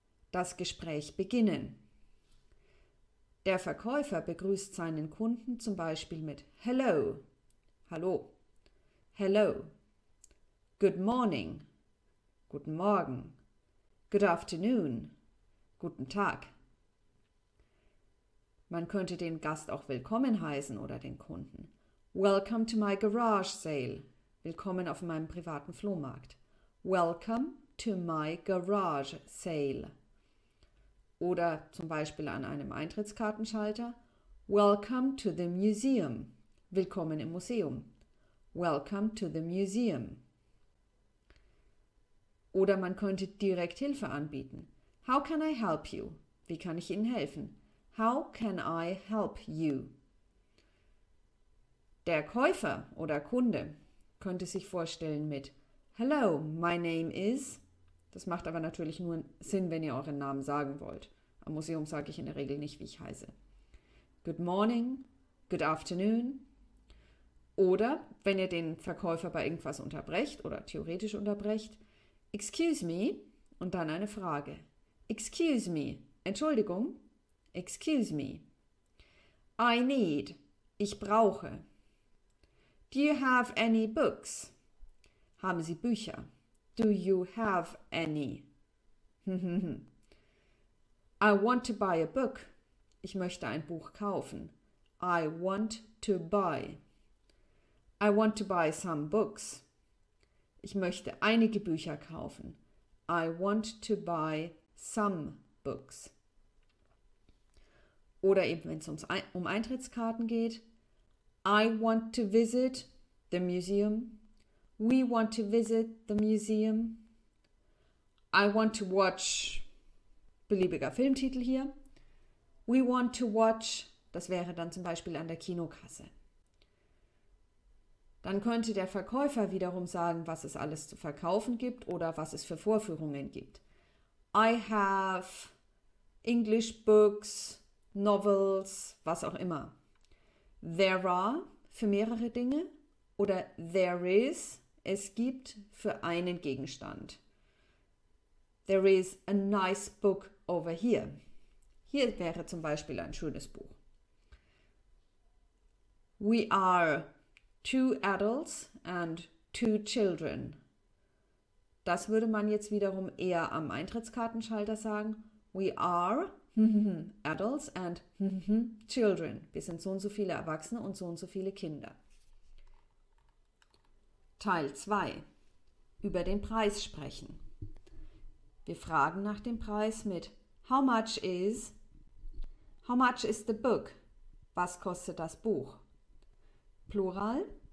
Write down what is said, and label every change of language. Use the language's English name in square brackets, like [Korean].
[German] Das Gespräch beginnen. Der Verkäufer begrüßt seinen Kunden zum Beispiel mit [English] Hello, [German] Hallo, [English] Hello, Good Morning, [German] Guten Morgen, [English] Good Afternoon, [German] Guten Tag. Man könnte den Gast auch willkommen heißen oder den Kunden. [English] Welcome to my garage sale. [German] Willkommen auf meinem privaten Flohmarkt. [English] Welcome to my garage sale. [German] Oder zum Beispiel an einem Eintrittskartenschalter. [English] Welcome to the museum. [German] Willkommen im Museum. [English] Welcome to the museum. [German] Oder man könnte direkt Hilfe anbieten. [English] How can I help you? [German] Wie kann ich Ihnen helfen? [English] How can I help you? [German] Der Käufer oder Kunde könnte sich vorstellen mit [English] Hello, my name is. [German] Das macht aber natürlich nur Sinn, wenn ihr euren Namen sagen wollt. Am Museum sage ich in der Regel nicht, wie ich heiße. [English] Good morning, good afternoon. [German] Oder wenn ihr den Verkäufer bei irgendwas unterbrecht oder theoretisch unterbrecht, [English] excuse me [German] und dann eine Frage. [English] Excuse me, [German] Entschuldigung, [English] excuse me. I need, [German] ich brauche. [English] Do you have any books? [German] Haben Sie Bücher? [English] Do you have any? I want to buy a book. [German] Ich möchte ein Buch kaufen. [English] I want to buy. I want to buy some books. [German] Ich möchte einige Bücher kaufen. [English] I want to buy some books. [German] Oder eben, wenn es um Eintrittskarten geht. [English] I want to visit the museum. We want to visit the museum. I want to watch, [German] beliebiger Filmtitel hier. [English] We want to watch, [German] das wäre dann zum Beispiel an der Kinokasse. Dann könnte der Verkäufer wiederum sagen, was es alles zu verkaufen gibt oder was es für Vorführungen gibt. I have English books, novels, was auch immer. [English] There are [German] für mehrere Dinge oder [English] there is, [German] es gibt für einen Gegenstand. [English] There is a nice book over here. [German] Hier wäre zum Beispiel ein schönes Buch. [English] We are two adults and two children. [German] Das würde man jetzt wiederum eher am Eintrittskartenschalter sagen. [English] We are adults and children. [German] Wir sind so und so viele Erwachsene und so viele Kinder. Teil 2. Über den Preis sprechen. Wir fragen nach dem Preis mit [English] How much is? How much is the book? [German] Was kostet das Buch? [English] Plural.